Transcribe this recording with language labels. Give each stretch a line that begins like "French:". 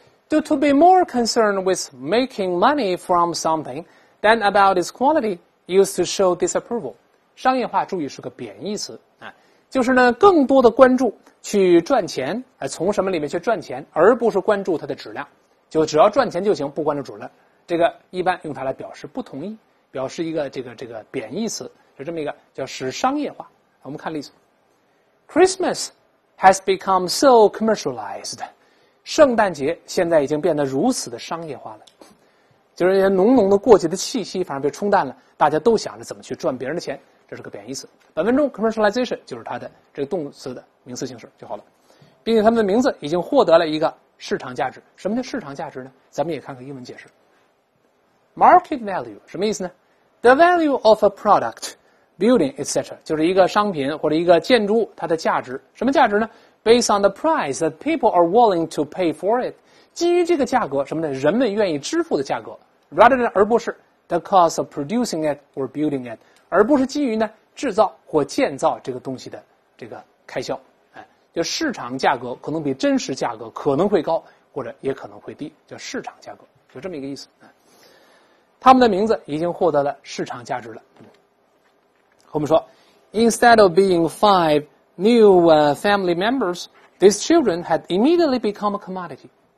English: Due to be more concerned with making money from something than about its quality used to show disapproval。
Chinese: 商业化注意是个贬义词啊，就是呢更多的关注去赚钱，从什么里面去赚钱，而不是关注它的质量，就只要赚钱就行，不关注质量，这个一般用它来表示不同意，表示一个这个贬义词，是这么一个叫使商业化。我们看例子
English: Christmas has become so commercialized，
Chinese: 圣诞节现在已经变得如此的商业化了，就是一些浓浓的过节的气息反而被冲淡了，大家都想着怎么去赚别人的钱，这是个贬义词。本文中 commercialization 就是它的这个动词的名词形式就好了，并且他们的名字已经获得了一个市场价值。什么叫市场价值呢？咱们也看看英文解释 market value 什么意思呢？
English: The value of a product, building, etc.
Chinese: 就是一个商品或者一个建筑它的价值。什么价值呢？
English: Based on the price that people are willing to pay for it.
Chinese: 基于这个价格，什么呢？人们愿意支付的价格。
English: Rather than
Chinese: 而不是
English: the cost of producing it or building it.
Chinese: 而不是基于呢制造或建造这个东西的这个开销。就市场价格可能比真实价格可能会高或者也可能会低。叫市场价格。就这么一个意思。他们的名字已经获得了市场价值了。我们说
English: Instead of being five new family members, these children had immediately become a commodity.